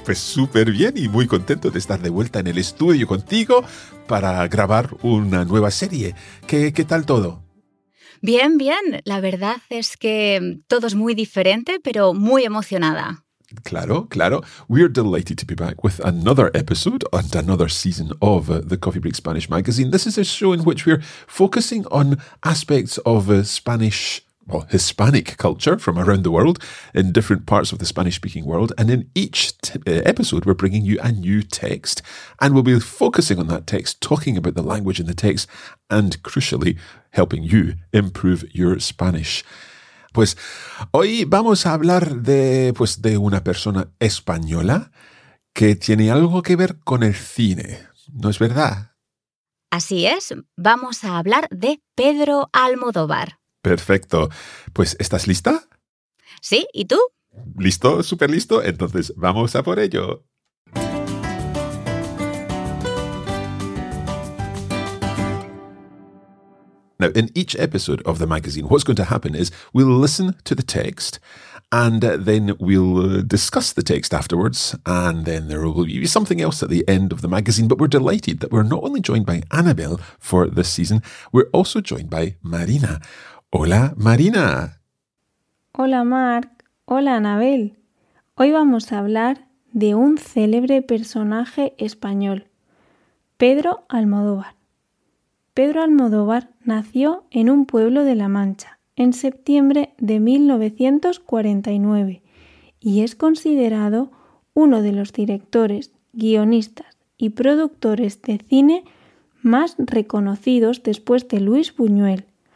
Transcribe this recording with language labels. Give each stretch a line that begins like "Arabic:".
Spanish: Pues súper bien y muy contento de estar de vuelta en el estudio contigo para grabar una nueva serie. ¿Qué tal todo? Bien, bien. La verdad es que todo es muy diferente, pero muy emocionada. Claro, claro.
English: We're delighted to be back with another episode and another season of the Coffee Break Spanish Magazine. This is a show in which we're focusing on aspects of Spanish, well, Hispanic culture from around the world in different parts of the Spanish-speaking world. And in each episode, we're bringing you a new text. And we'll be focusing on that text, talking about the language in the text, and crucially, helping you improve your Spanish.
Spanish: Pues hoy vamos a hablar de una persona española que tiene algo que ver con el cine, ¿no es verdad? Así es, vamos a hablar de Pedro Almodóvar. Perfecto, pues ¿estás lista? Sí, ¿y tú? ¿Listo? ¿Súper listo? Entonces vamos a por ello.
English: Now, in each episode of the magazine, what's going to happen is we'll listen to the text and then we'll discuss the text afterwards, and then there will be something else at the end of the magazine. But we're delighted that we're not only joined by Annabelle for this season, we're also joined by Marina.
Spanish: Hola, Marina. Hola, Marc. Hola, Annabelle. Hoy vamos a hablar de un célebre personaje español, Pedro Almodóvar. Pedro Almodóvar nació en un pueblo de La Mancha en septiembre de 1949 y es considerado uno de los directores, guionistas y productores de cine más reconocidos después de Luis Buñuel.